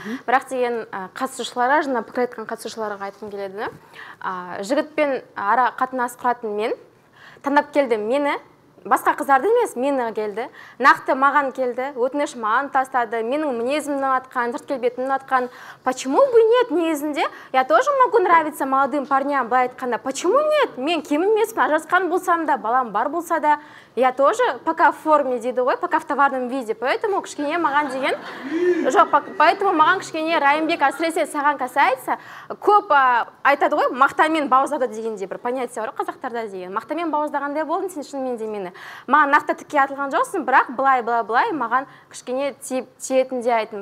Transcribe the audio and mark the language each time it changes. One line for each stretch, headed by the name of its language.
Kazakh: Бірақ деген қатысушыларға, жаңа пікір айтқан қатысушыларға айтқым келеді. Жігітпен ара қатынас құратын мен, таңдап келді мені. Басқа қыздарды емес, мені келді, нақты маған келді, өтініш маған тастады, менің мінезімді ұнатқан, сырт келбетімді ұнатқан.
Russian: Почему бы нет
Kazakh: негізінде?
Russian: Я тоже могу нравиться молодым парням,
Kazakh: былай айтқанда.
Russian: Почему нет?
Kazakh: Мен кем емеспін, ажырасқан болсам да, балам бар болса да.
Russian: Я тоже пока в форме,
Kazakh: дейді ғой,
Russian: пока в товарном виде. Поэтому
Kazakh: кішкене маған деген, жоқ,
Russian: поэтому
Kazakh: маған кішкене Райымбек әсіресе саған
Russian: касается,
Kazakh: көп айтады ғой, мақтамен бауыздады дегенде бір понятие бар ғой қазақтарда деген. Мақтамен бауыздағандай болдың сен шынымен де мені. Маған нақты тіке атылған жоқсың, бірақ былай маған кішкене тиетін де айтын.